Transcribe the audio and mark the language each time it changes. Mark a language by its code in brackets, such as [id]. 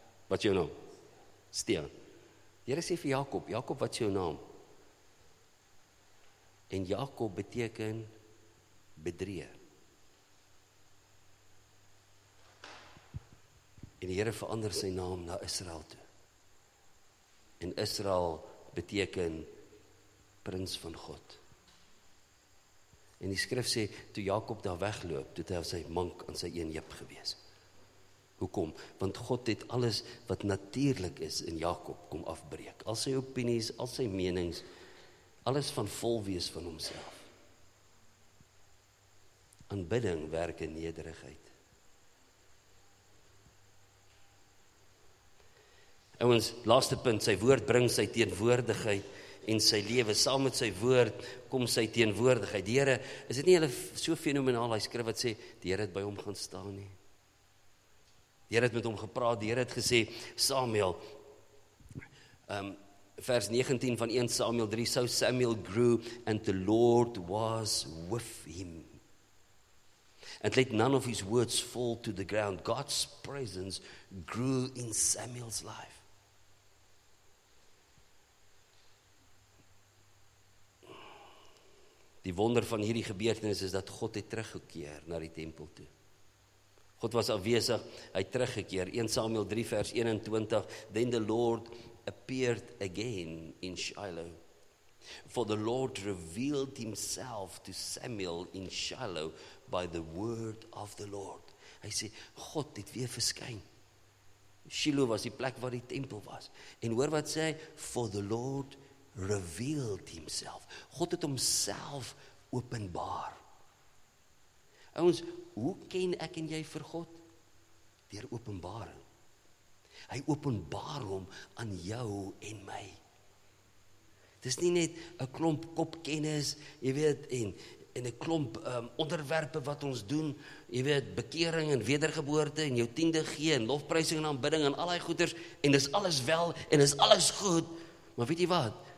[af] Wat is jou naam? Stean. Die Here sê vir Jakob, Jakob, wat is jou naam? En Jakob beteken bedrieër. En die Here verander sy naam na Israel toe. En Israel beteken prins van God. En die skrif sê, toe Jakob daar wegloop, toe het hy sy mank aan sy een heup gewees. Hoekom? Want God het alles wat natuurlik is in Jakob kom afbreek. Al sy opinies, al sy menings, alles van volwees van homself. Aanbidding werk in nederigheid. Ouens, laaste punt, sy woord bring sy teenwoordigheid en sy lewe, saam met sy woord kom sy teenwoordigheid. Die Here, is dit nie hulle so fenomenaal, hy skryf wat sê, die Here het by hom gaan staan nie. Die Here het met hom gepraat, die Here het gesê, Samuel, vers 19 van 1 Samuel 3, so Samuel grew and the Lord was with him. [en] And let none of his words fall to the ground. God's presence grew in Samuel's life. [af] Die wonder van hierdie gebeurtenis is dat God het teruggekeer na die tempel toe. God was afwesig, hy het teruggekeer. 1 Samuel 3 vers 21, then the Lord appeared again in Shiloh. [en] For the Lord revealed himself to Samuel in Shiloh by the word of the Lord. [af] Hy sê, God het weer verskyn. Shiloh was die plek waar die tempel was. En hoor wat sê hy, for the Lord revealed himself. God het homself openbaar. Ons, hoe ken ek en jy vir God? Deur openbaring. Hy openbaar hom aan jou en my. Dis nie net 'n klomp kopkennis, jy weet, en 'n klomp onderwerpe wat ons doen, jy weet, bekering en wedergeboorte en jou tiende gee en lofprysing en aanbidding en al die goeders en dis alles wel en dis alles goed. Maar weet jy wat?